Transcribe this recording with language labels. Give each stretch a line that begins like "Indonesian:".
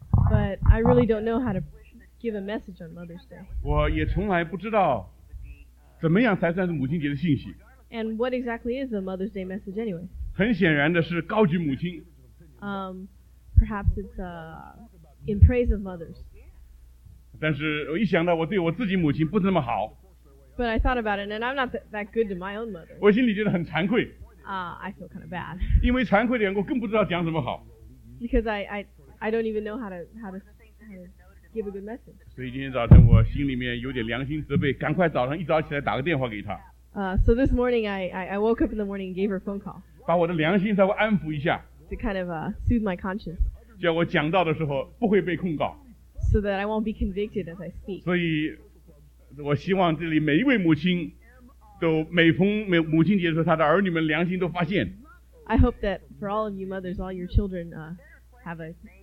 English: But I really don't know how to give a message on Mother's Day.
Chinese: 我也从来不知道怎么样才算是母亲节的信息。
English: And what exactly is a Mother's Day message anyway?
Chinese: 很显然的是高举母亲。
English: Perhaps it's in praise of mothers.
Chinese: 但是我一想到我对我自己母亲不那么好。
English: But I thought about it, and I'm not that good to my own mother.
Chinese: 我心里觉得很惭愧。
English: I feel kind of bad.
Chinese: 因为惭愧的缘故，更不知道讲什么好。
English: Because I don't even know how to give a good message.
Chinese: 所以今天早晨我心里面有点良心责备，赶快早上一早起来打个电话给她。
English: So this morning I woke up in the morning and gave her a phone call.
Chinese: 把我的良心稍微安抚一下。
English: To kind of soothe my conscience.
Chinese: 叫我讲道的时候不会被控告。
English: So that I won't be convicted as I speak.
Chinese: 所以。我希望这里每一位母亲都每逢母亲节的时候，她的儿女们良心都发现。
English: I hope that for all of you mothers, all your children have a